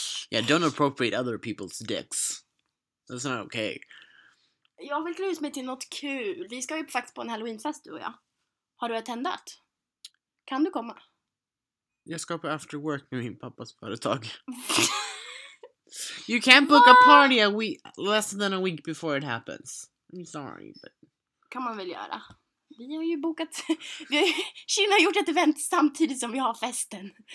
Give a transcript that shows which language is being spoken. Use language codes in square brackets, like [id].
[en] Yeah, don't appropriate other people's dicks. That's not okay. [sv] Jag vill klä ut mig till något kul. Vi ska ju faktiskt på en Halloweenfest, du och jag. Har du attendat? Kan du komma? Jag ska på after work med min pappas företag. [en] You can't book a party less than a week before it happens. Sorry, but... [sv] Kan man väl göra. Vi har ju bokat... Kina har gjort ett event samtidigt som vi har festen.